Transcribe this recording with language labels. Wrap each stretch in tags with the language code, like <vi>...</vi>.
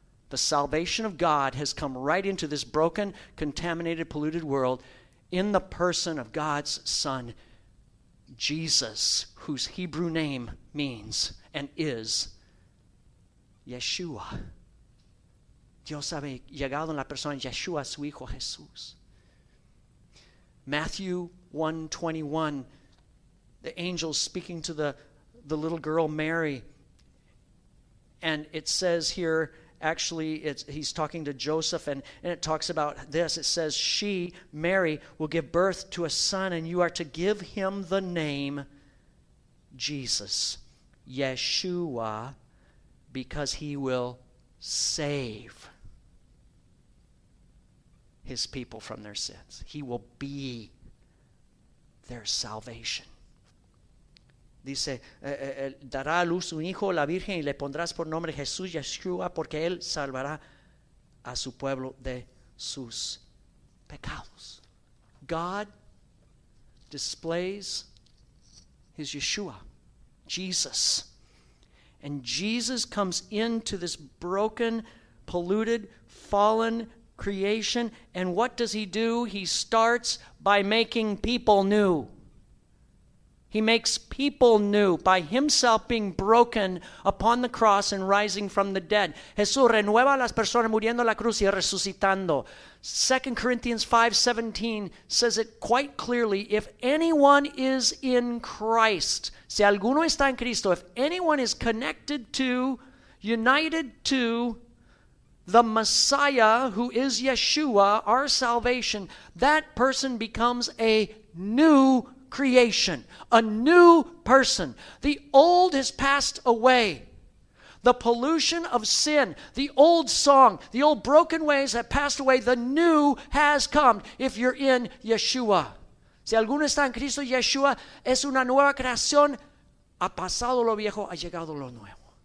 <en>The salvation of God has come right into this broken, contaminated, polluted world in the person of God's Son, Jesus, whose Hebrew name means and is Yeshua.</en> <es>Dios ha llegado en la persona Yeshua, su Hijo Jesús.</es> <en>Matthew 1:21, the angel speaking to the little girl Mary, and it says here, actually, he's talking to Joseph, and it talks about this. It says, she, Mary, will give birth to a son, and you are to give him the name Jesus, Yeshua, because he will save his people from their sins. He will be their salvation.</en> <es>Dice, dará a luz un hijo, la Virgen, y le pondrás por nombre Jesús, Yeshua, porque él salvará a su pueblo de sus pecados.</es> <en>God displays his Yeshua, Jesus. And Jesus comes into this broken, polluted, fallen creation, and what does he do? He starts by making people new. He makes people new by himself being broken upon the cross and rising from the dead.</en> <es>Jesús renueva a las personas muriendo en la cruz y resucitando.</es> <en>2 Corinthians 5:17 says it quite clearly. If anyone is in Christ,</en> <es>si alguno está en Cristo,</es> <en>if anyone is connected to, united to the Messiah, who is Yeshua, our salvation, that person becomes a new creation, a new person. The old has passed away. the pollution of sin, the old song, the old broken ways have passed away, the new has come if you're in Yeshua.</en> <es>Si alguno está en Cristo, Yeshua es una nueva creación. Ha pasado lo viejo, ha llegado lo nuevo.</es>